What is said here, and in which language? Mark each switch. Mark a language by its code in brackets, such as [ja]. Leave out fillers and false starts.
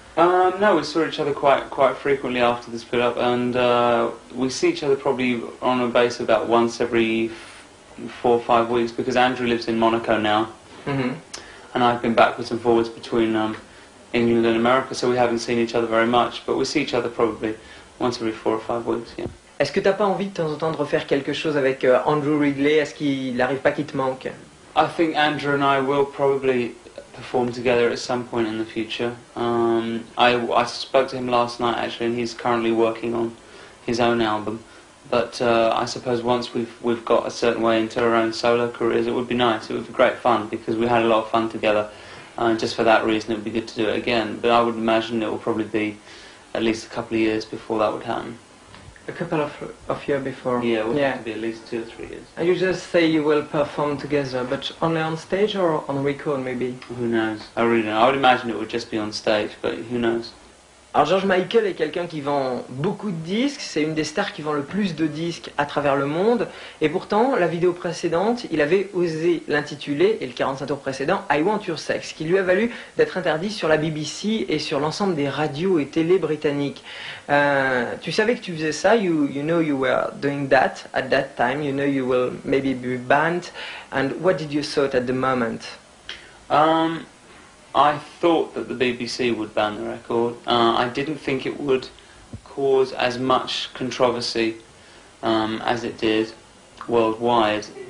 [en] No, we saw each other quite frequently after the split up, and we see each other probably on a base about once every four or five weeks, because Andrew lives in Monaco now, and I've been backwards and forwards between England and America, so we haven't seen each other very much, but we see each other probably once every four or five weeks, yeah. [fr] Est-ce que t'as pas envie de temps en temps de refaire quelque chose avec Andrew Ridley? Est-ce qu'il arrive pas qu'il te manque? [en] I think Andrew and I will probably perform together at some point in the future. I spoke to him last night actually, and he's currently working on his own album. But I suppose once we've got a certain way into our own solo careers, it would be nice. It would be great fun, because we had a lot of fun together. And just for that reason, it would be good to do it again. But I would imagine it will probably be at least a couple of years before that would happen. A couple of years before. Yeah, it would have to be at least two or three years. And you just say you will perform together, but only on stage or on record maybe? Who knows? I really don't know. I would imagine it would just be on stage, but who knows? [fr] Alors George Michael est quelqu'un qui vend beaucoup de disques, c'est une des stars qui vend le plus de disques à travers le monde, et pourtant, la vidéo précédente, il avait osé l'intituler, et le 45 tours précédent, I Want Your Sex, qui lui a valu d'être interdit sur la BBC et sur l'ensemble des radios et télé britanniques. Tu savais que tu faisais ça, [en] you know you were doing that at that time, you know you will maybe be banned, and what did you thought at the moment? I thought that the BBC would ban the record. I didn't think it would cause as much controversy as it did worldwide.